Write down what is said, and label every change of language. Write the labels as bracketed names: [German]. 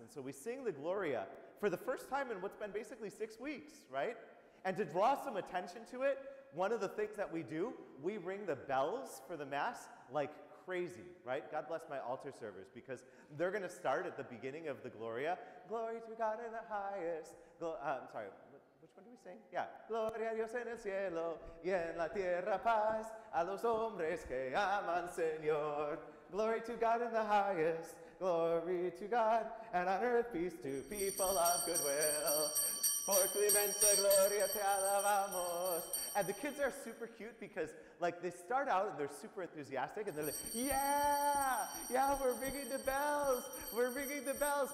[English] And so we sing the Gloria for the first time in what's been basically 6 weeks, right? And to draw some attention to it, one of the things that we do, we ring the bells for the Mass like crazy, right? God bless my altar servers, because they're going to start at the beginning of the Gloria. Glory to God in the highest. Which one do we sing? Yeah. [Spanish] Gloria a Dios en el cielo y en la tierra paz a los hombres que aman Señor. [English] Glory to God in the highest. Glory to God and on earth peace to people of goodwill. [Spanish] Por tu inmensa gloria te alabamos. [English] And the kids are super cute because, like, they start out and they're super enthusiastic and they're like, yeah, we're ringing the bells. We're ringing the bells.